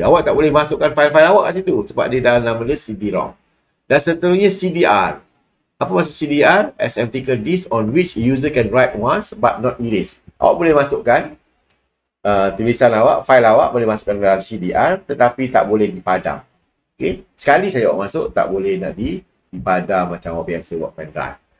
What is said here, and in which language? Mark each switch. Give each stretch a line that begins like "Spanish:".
Malay: Awak tak boleh masukkan fail-fail awak kat situ sebab dia dalam nama dia CD-ROM. Dan seterusnya CDR. Apa maksud CDR?
English: As optical disk on which user can write once but not erase.
Malay: Awak boleh masukkan tulisan awak, fail awak boleh masukkan dalam CDR tetapi tak boleh dipadam. Okey, sekali saya awak masuk tak boleh nanti dipadam macam awak biasa buat pen drive.